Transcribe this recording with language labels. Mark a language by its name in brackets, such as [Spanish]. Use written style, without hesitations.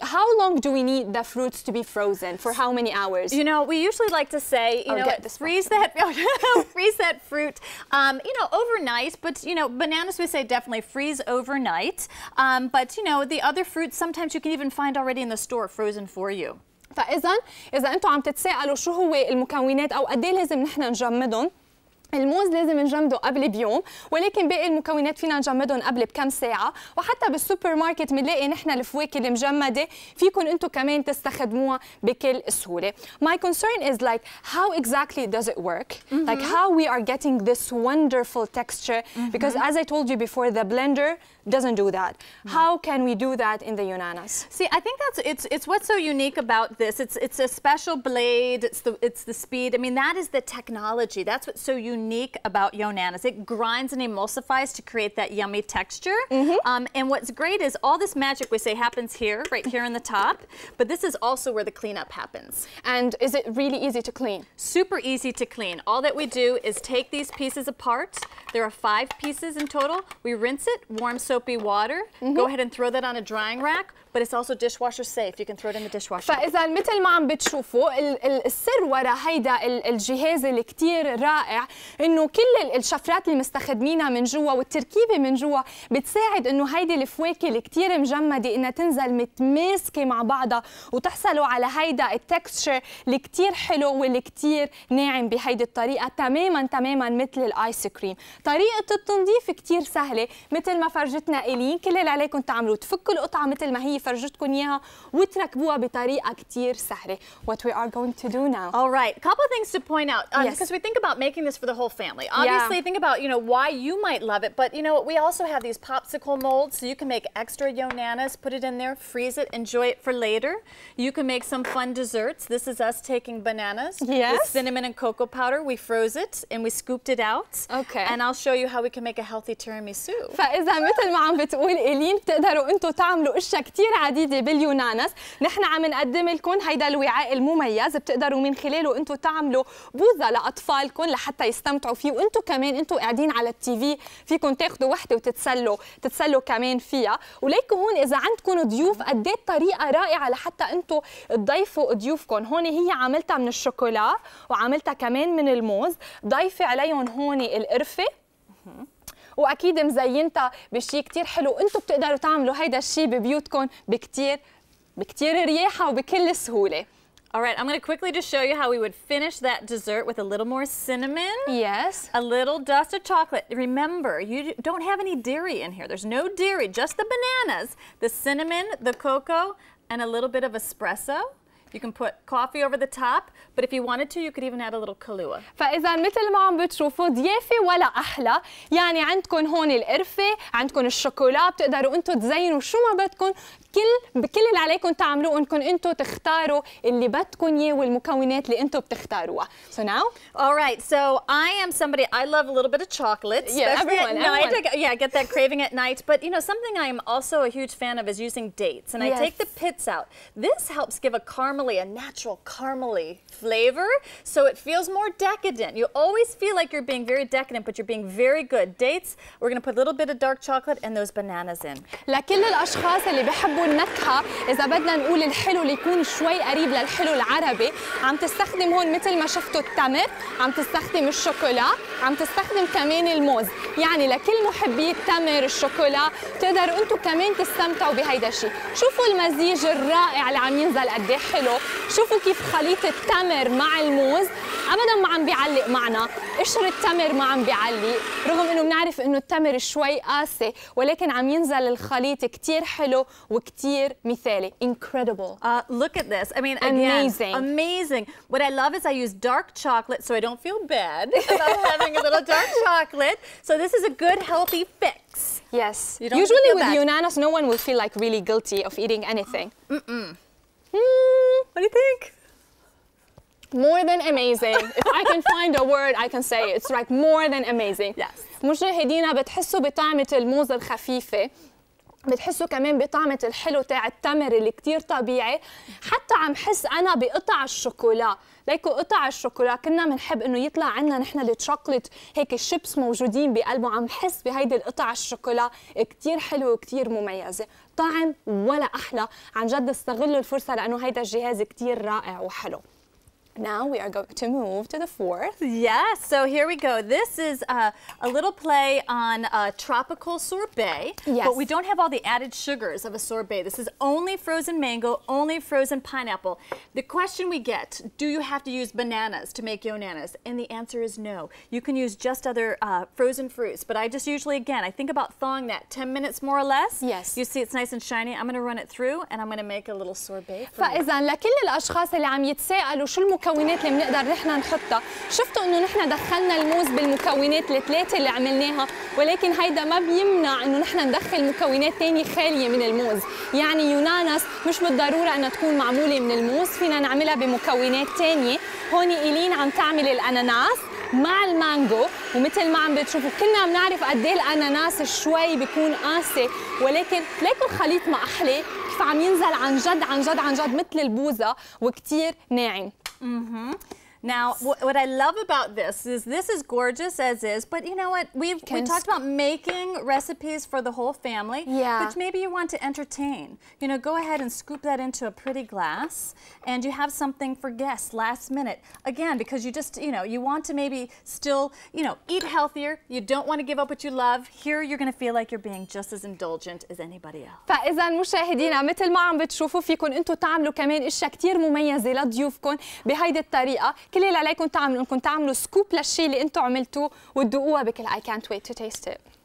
[English] How long do we need the fruits to be frozen? For how many hours? You know, we usually like to say, freeze that fruit, you know, overnight. But, you know, bananas, we say definitely freeze overnight. But, you know, the other fruits, sometimes you can even find already in the store frozen for you. [Arabic] فإذا, إذا أنتوا عم تتساءلوا شو هو المكونات أو قديه لازم نحن نجمدهم, الموز لازم نجمده قبل بيوم, ولكن باقي المكونات فينا نجمدهم قبل بكم ساعة. وحتى بالسوبر ماركت منلاقي نحن الفواكه المجمدة فيكن انتو كمان تستخدموها بكل سهولة. [English] My concern is like how exactly does it work? Like how we are getting this wonderful texture? Because as I told you before, the blender doesn't do that. How can we do that in the Yonanas? See, I think that's it's what's so unique about this. It's a special blade. It's the speed. I mean, that is the technology. That's what's so unique about Yonanas. It grinds and emulsifies to create that yummy texture. And what's great is all this magic we say happens here, right here in the top. But this is also where the cleanup happens. And is it really easy to clean? Super easy to clean. All that we do is take these pieces apart. There are 5 pieces in total. We rinse it, warm soapy water. Go ahead and throw that on a drying rack. But it's also dishwasher safe. You can throw it in the dishwasher. [Arabic] فإذا مثل ما عم بتشوفوا السر وراء هيدا الجهاز اللي كتير رائع إنه كل الشفرات اللي مستخدمينها من جوا والتركيبة من جوا بتساعد إنه هيدي الفواكه اللي كتير مجمدة إنها تنزل متماسكة مع بعضها وتحصلوا على هيدا التكستشر اللي كتير حلو واللي كتير ناعم بهيدي الطريقة تماما مثل الآيس كريم. طريقة التنظيف كتير سهلة مثل ما فرجتنا إيلين. كل اللي عليكم تعملوا تفكوا القطعة مثل ما هي فرجتكم اياها وتركبوها بطريقه كثير سهله. [English] What we are going to do now. All right, couple things to point out because we think about making this for the whole family. Obviously think about, you know, why you might love it, but you know what, we also have these popsicle molds so you can make extra Yonanas, put it in there, freeze it, enjoy it for later. You can make some fun desserts. This is us taking bananas with cinnamon and cocoa powder. We froze it and we scooped it out. Okay. And I'll show you how we can make a healthy tiramisu. [Arabic] فاذا مثل ما عم بتقول إيلين بتقدروا انتم تعملوا اشياء كتير عديدة باليونانس. نحن عم نقدم لكم هيدا الوعاء المميز بتقدروا من خلاله انتو تعملوا بوزة لأطفالكم لحتى يستمتعوا فيه, وانتو كمان انتو قاعدين على التيفي فيكن تاخدوا وحدة وتتسلوا كمان فيها. وليكو هون اذا عندكم ضيوف قديت طريقة رائعة لحتى انتو تضيفوا ضيوفكم. هون هي عملتها من الشوكولا وعملتها كمان من الموز, ضيفة عليهم هون القرفة وأكيد مزينتها بشيء كتير حلو. أنتوا بتقدروا تعملوا هيدا الشيء ببيوتكم بكتير رياحة وبكل سهولة. [English] All right, I'm gonna quickly just show you how we would finish that dessert with a little more cinnamon. Yes. A little dust of chocolate. Remember, you don't have any dairy in here. There's no dairy, just the bananas, the cinnamon, the cocoa, and a little bit of espresso. You can put coffee over the top, but if you wanted to, you could even add a little Kahlua. [Arabic] فإذا مثل ما عم بتشوفوا ضيافي ولا أحلى، يعني عندكم هون القرفة، عندكم الشوكولا، بتقدروا أنتم تزينوا شو ما بدكم، كل اللي عليكم تعملوه أنكم أنتم تختاروا اللي بدكم إياه والمكونات اللي أنتم بتختاروها. [English] So now? All right, so I am somebody, I love a little bit of chocolate. Yeah, everyone. Yeah, I get that craving at night. But you know, something I am also a huge fan of is using dates. And yes. I take the pits out. This helps give a caramely, a natural caramely flavor, so it feels more decadent. You always feel like you're being very decadent, but you're being very good. Dates, we're gonna put a little bit of dark chocolate and those bananas in. [Arabic] لكل الأشخاص اللي بحبوا النكهة، إذا بدنا نقول الحلو اللي يكون شوي قريب للحلو العربي، عم تستخدم هون مثل ما شفتوا التمر، عم تستخدم الشوكولا، عم تستخدم كمان الموز. يعني لكل محبي التمر الشوكولا، بتقدروا أنتم كمان تستمتعوا بهيدا الشيء. شوفوا المزيج الرائع اللي عم ينزل قد إيه حلو، شوفوا كيف خليط التمر مع الموز ابدا ما عم بيعلق معنا، قشر التمر ما عم بيعلق، رغم انه بنعرف انه التمر شوي قاسي، ولكن عم ينزل الخليط كثير حلو وكثير مثالي. [English] Incredible. Look at this. I mean, amazing. Again, amazing. What I love is I use dark chocolate so I don't feel bad about having a little dark chocolate. So this is a good healthy fix. Yes. Usually with Yunanas, no one will feel like really guilty of eating anything. What do you think? More than amazing. If I can find a word, I can say it. It's like more than amazing. Yes. [Arabic] مشاهدينا بتحسوا بطعمة الموز الخفيفة. بتحسوا كمان بطعمة الحلو تاع التمر اللي كتير طبيعي. حتى عم حس أنا بقطع الشوكولا. ليكو قطع الشوكولا كنا منحب إنه يطلع عنا نحنا التشوكلت هيك الشيبس موجودين بقلبه. عم حس بهيدي القطع الشوكولا كتير حلو وكتير مميزة. طعم ولا أحلى. عن جد استغلوا الفرصة لأنه هيدا الجهاز كتير رائع وحلو. [English] Now we are going to move to the fourth. Yes, so here we go. This is a little play on a tropical sorbet. Yes. But we don't have all the added sugars of a sorbet. This is only frozen mango, only frozen pineapple. The question we get, do you have to use bananas to make Yonanas? And the answer is no. You can use just other frozen fruits. But I just usually, again, I think about thawing that 10 minutes more or less. Yes. You see it's nice and shiny. I'm going to run it through and I'm going to make a little sorbet for you. [Arabic] فإذا لكل الأشخاص اللي عم يتسألوا شو المكونات اللي بنقدر نحن نحطها، شفتوا انه نحن دخلنا الموز بالمكونات الثلاثه اللي عملناها، ولكن هيدا ما بيمنع انه نحن ندخل مكونات ثانيه خاليه من الموز، يعني يوناناس مش بالضروره انها تكون معموله من الموز، فينا نعملها بمكونات ثانيه، هون ايلين عم تعمل الاناناس مع المانجو، ومثل ما عم بتشوفوا كلنا بنعرف قد ايه الاناناس شوي بيكون قاسي، ولكن ليكو الخليط ما احلى، كيف عم ينزل عن جد عن جد عن جد مثل البوزه وكثير ناعم. Mm-hmm. [English] Now, what I love about this is gorgeous as is, but you know what? We talked about making recipes for the whole family, yeah. But maybe you want to entertain. You know, go ahead and scoop that into a pretty glass, and you have something for guests last minute. Again, because you just, you know, you want to maybe still, you know, eat healthier. You don't want to give up what you love. Here, you're going to feel like you're being just as indulgent as anybody else. [Arabic] فإذاً مشاهدينا مثل ما عم بتشوفوا فيكن أنتوا تعملوا كمان إشياء كتير مميزة لضيوفكن بهذه الطريقة. كل اللي عليكم تعملوا انكم تعملوا سكوب للشيء اللي انتم عملتوه وتذوقوها بكل [English] I can't wait to taste it.